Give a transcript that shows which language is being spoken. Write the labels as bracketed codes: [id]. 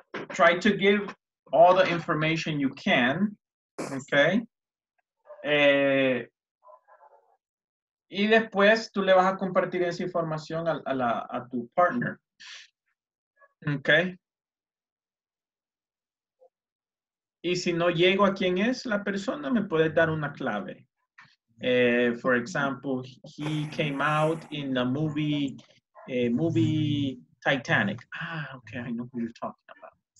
[en] Try to give all the information you can. Okay. [es] Y después tú le vas a compartir esa información a tu partner. Okay. Y si no llego a quién es la persona, me puedes dar una clave. [en] For example, he came out in the movie Titanic. Ah, okay, I know who you're talking about.